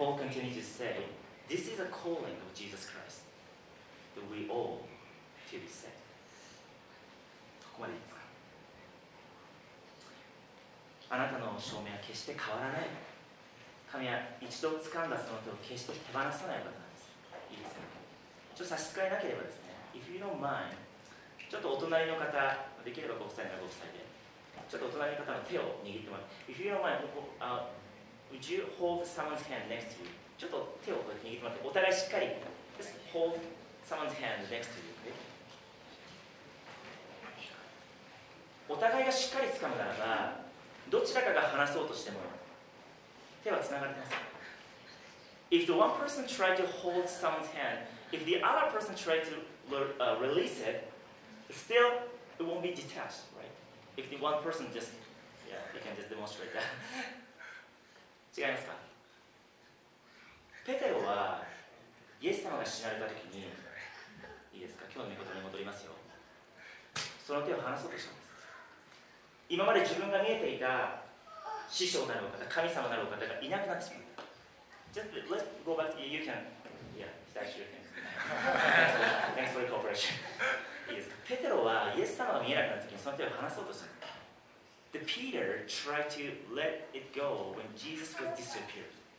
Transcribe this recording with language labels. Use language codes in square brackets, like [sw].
[en] And then Paul continues to say, This is a calling of Jesus Christ that we all to be saved. [ja] ここまでいいですか。あなたの証明は決して変わらない。神は一度掴んだその手を決して手放さない方なんです。いいですか。ちょっと差し支えなければですね、 [en] If you don't mind [ja] ちょっとお隣の方、できればご夫妻ならご夫妻で、ちょっとお隣の方の手を握ってもらって、 [en] If you don't mind, would you hold someone's hand next to you? [ja] ちょっと手を握ってもらって、お互いしっかり、 [en] Just hold someone's hand next to you, okay? [ja] お互いがしっかりつかむならば、どちらかが離そうとしても、手はつながってます。 [en] If the one person tried to hold someone's hand, if the other person tried to release it,Still, it won't be detached, right? If the one person just, yeah, you can just demonstrate that. [ja] 違いますか？ペテロはイエス様が死なれた時に、いいですか？今日の御言葉に戻りますよ。その手を離そうとしたんです。今まで自分が見えていた師匠なるお方、神様なるお方がいなくなってしまった。 [en] Just let's go back. You can, yeah, that's your thing. Thanks for the cooperation. [ja] いいですか。ペテロはイエス様が見えなくなった時にその手を離そうとした。 [en] The Peter tried to let it go when Jesus was disappeared.